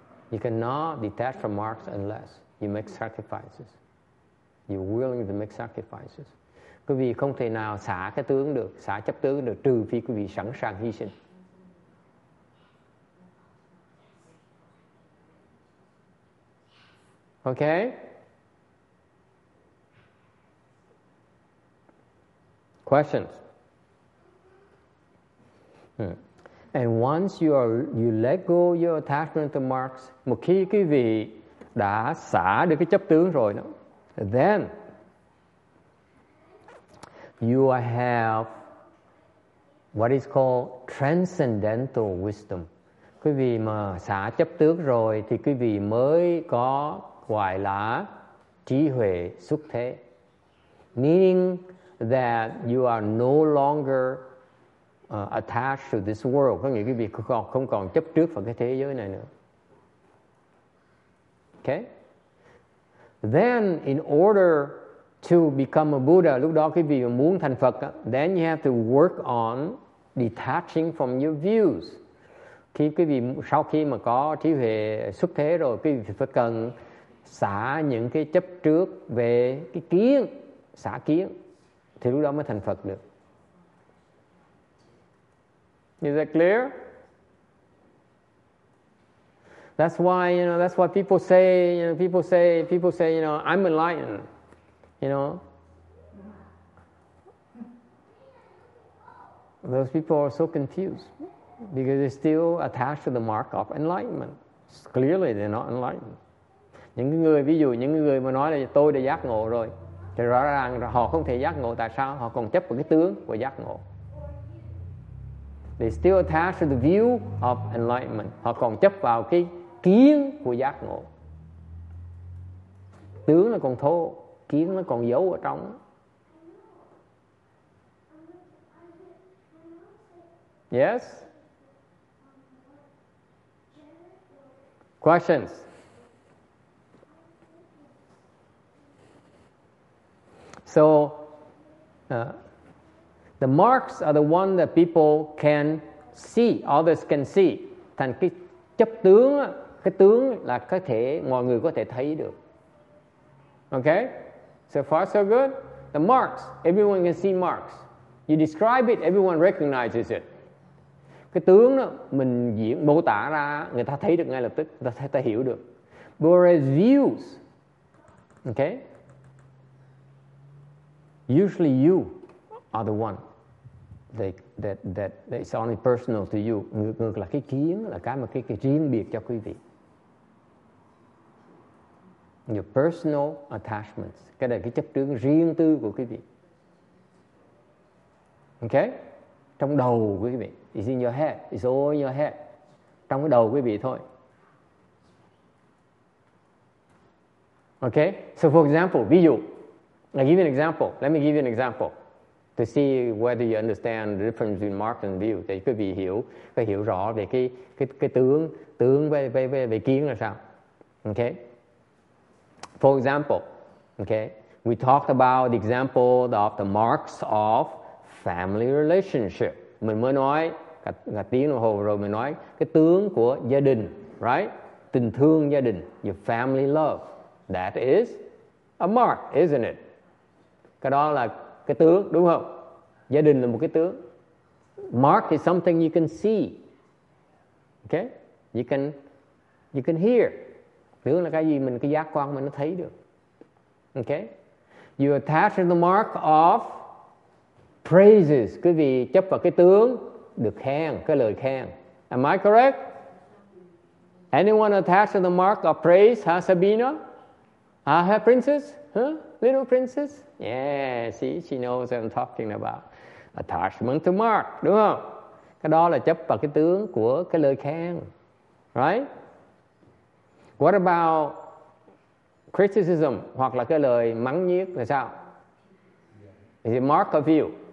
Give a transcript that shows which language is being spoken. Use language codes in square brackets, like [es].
[en] You cannot detach from marks unless you make sacrifices. You're willing to make sacrifices. [vi] Quý vị không thể nào xả cái tướng được, xả chấp tướng được trừ phi quý vị sẵn sàng hy sinh. [en] Okay. Questions. And once you let go your attachment to marks, [vi] một khi quý vị đã xả được cái chấp tướng rồi đó, [en] then you have what is called transcendental wisdom. [vi] Quý vị mà xả chấp tướng rồi thì quý vị mới có gọi là trí huệ xuất thế, [en] meaning that you are no longer attached to this world. [vi] Có nghĩa quý vị không còn chấp trước vào cái thế giới này nữa. [en] Okay? Then in order to become a Buddha, [vi] lúc đó quý vị muốn thành Phật, [en] then you have to work on detaching from your views. [vi] Khi quý vị sau khi mà có trí huệ xuất thế rồi, quý vị phải cần xả những cái chấp trước về cái kiến, xả kiến thì lúc đó mới thành Phật được. [en] Is that clear? That's why, you know, that's why people say, you know, people say, you know, I'm enlightened, you know. Those people are so confused because they're still attached to the mark of enlightenment. clearly they're not enlightened. [vi] Những người, ví dụ những người mà nói là tôi đã giác ngộ rồi, thì rõ ràng họ không thể giác ngộ. Tại sao? Họ còn chấp vào cái tướng của giác ngộ. [en] They still attached to the view of enlightenment. [vi] Họ còn chấp vào cái kiến của giác ngộ. Tướng nó còn thô, kiến nó còn giấu ở trong. [en] Yes? Questions? So, the marks are the one that people can see, others can see. [vi] Thành cái chấp tướng, cái tướng là có thể, mọi người có thể thấy được. [en] Okay? So far, so good? The marks, everyone can see marks. You describe it, everyone recognizes it. [vi] Cái tướng đó, mình diễn, mô tả ra, người ta thấy được ngay lập tức, người ta hiểu được. [en] Whereas views, okay? Usually you are the one that it's only personal to you. [vi] Ngược là cái kiến là cái mà cái riêng biệt cho quý vị. [en] Your personal attachments, [vi] cái này cái chấp tướng riêng tư của quý vị. Okay, trong đầu quý vị, [en] it's in your head, [vi] it's all in your head, trong cái đầu quý vị thôi. [en] Okay, so for example, [vi] ví dụ. [en] I'll give you an example. Let me give you an example to see whether you understand the difference between mark and view. [vi] Để quý vị hiểu, có hiểu rõ về cái tướng, tướng về kiến là sao. [en] Okay. For example, okay, we talked about the example of the marks of family relationship. [vi] Mình mới nói cả tiếng đồng hồ rồi mình nói cái tướng của gia đình, right? Tình thương gia đình, [en] your family love. That is a mark, isn't it? [vi] Cái đó là cái tướng, đúng không? Gia đình là một cái tướng. [en] Mark is something you can see. Okay? You can hear. [vi] Tướng là cái gì mình, cái giác quan mình nó thấy được. Okay? [en] You attach to the mark of praises. [vi] Quý vị chấp vào cái tướng, được khen, cái lời khen. [en] Am I correct? Anyone attach to the mark of praise? Huh, Sabina? Huh, her princess? Huh? Little princess? Yeah, see, she knows what I'm talking about. Attachment to mark, [vi] đúng không? Cái đó là chấp vào cái tướng của cái lời khen. [en] Right? What about criticism [vi] hoặc là cái lời mắng nhiếc là sao? [en] Is it mark of view?